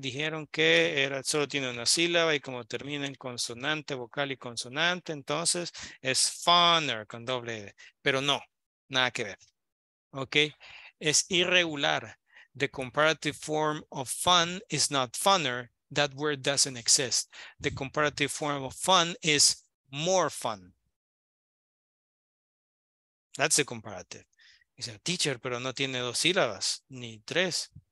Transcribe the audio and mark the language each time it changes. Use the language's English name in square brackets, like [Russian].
[Spanish] Dijeron que era, solo tiene una sílaba y como termina en consonante, vocal y consonante, entonces es funner con doble E. Pero no, nada que ver, okay? Es irregular. [English] The comparative form of fun is not funner. That word doesn't exist. The comparative form of fun is more fun. That's the comparative. He said, teacher, [Spanish] pero no tiene dos sílabas, ni tres.